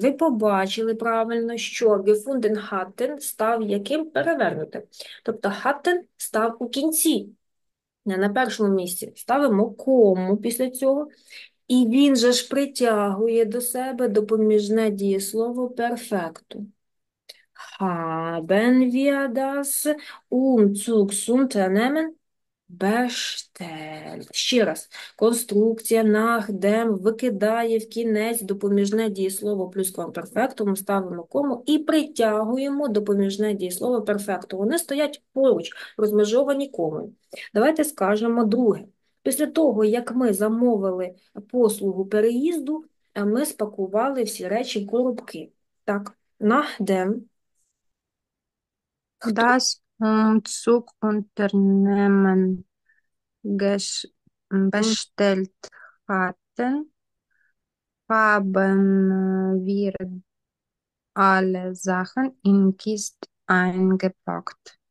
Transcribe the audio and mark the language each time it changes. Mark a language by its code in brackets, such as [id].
[uk] Ви побачили правильно, що [de] gefunden hatten [uk] став яким? Перевернутим. Тобто hatten став у кінці, не на першому місці. Ставимо кому після цього. І він же ж притягує до себе допоміжне дієслово перфекту. [de] Haben wir das Umzugsunternehmen bestellt? [uk] Ще раз. Конструкція nachdem викидає в кінець допоміжне дієслово плюсквамперфектум, ставимо кому і притягуємо допоміжне дієслово перфекту. Вони стоять поруч, розмежовані комою. Давайте скажемо друге. Після того, як ми замовили послугу переїзду, ми спакували всі речі в коробки. Так, nachdem. Хто? [de] Das Umzugunternehmen bestellt hatten, haben wir alle Sachen in Kist eingepackt.